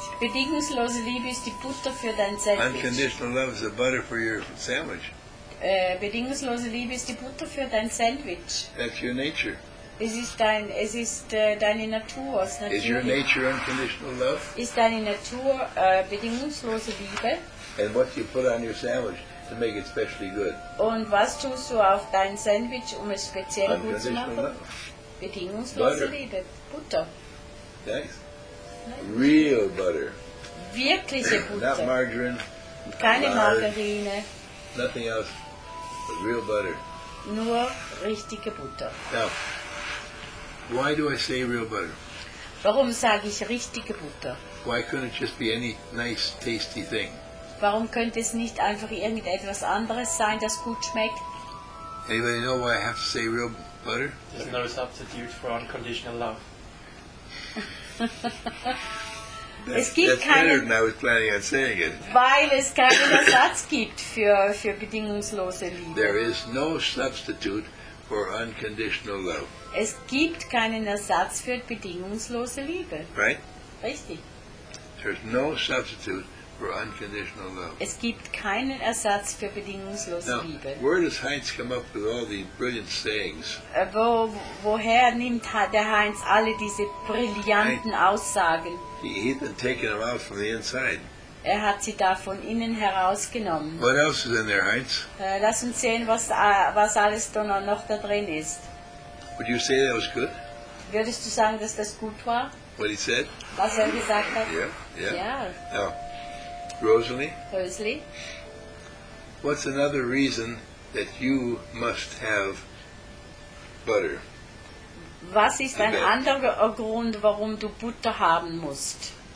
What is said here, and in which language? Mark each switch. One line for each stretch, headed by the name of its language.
German: Bedingungslose Liebe ist die Butter für dein Sandwich.
English: Unconditional love is the butter for your sandwich.
German: Bedingungslose Liebe ist die Butter für dein Sandwich.
English: That's your nature.
German: Es ist deine Natur.
English: Is your nature unconditional love?
German: Ist deine Natur bedingungslose Liebe?
English: And what do you put on your sandwich to make it specially good?
German: Und was tust du auf dein Sandwich, um es speziell gut zu machen?
English: Love.
German: Bedingungslose
English: butter.
German: Liebe. Butter.
English: Nice. Real butter.
German: Wirkliche Butter.
English: Not margarine.
German: Keine Margarine.
English: Nothing else but real butter.
German: Nur richtige Butter.
English: Now, why do I say real butter?
German: Warum sage ich richtige Butter?
English: Why couldn't it just be any nice, tasty thing?
German: Warum könnte es nicht einfach irgendetwas anderes sein, das gut schmeckt?
English: Anybody know why I have to say real butter? There's no substitute for unconditional love.
German: Es gibt
English: that's
German: keinen,
English: better than I was planning on saying it.
German: Weil es keinen Ersatz gibt für bedingungslose Liebe.
English: There is no substitute for unconditional love.
German: Es gibt keinen Ersatz für bedingungslose Liebe.
English: Right?
German: Richtig.
English: There's no substitute for unconditional love.
German: Es gibt keinen Ersatz für bedingungslose
English: Now,
German: Liebe.
English: Where does Heinz come up with all these brilliant sayings?
German: Woher nimmt der Heinz alle diese brillanten Aussagen?
English: He's been taking them out from the inside.
German: Er hat sie da von innen herausgenommen.
English: What else is in there, Heinz?
German: Lass uns sehen, was alles da noch da drin ist.
English: Would you say that was good?
German: Würdest du sagen, dass das gut war?
English: What he said?
German: Was er gesagt hat?
English: Yeah. Now, Rosalie? What's another reason that you must have butter?
German: Was ist ein anderer Grund, warum du Butter haben musst?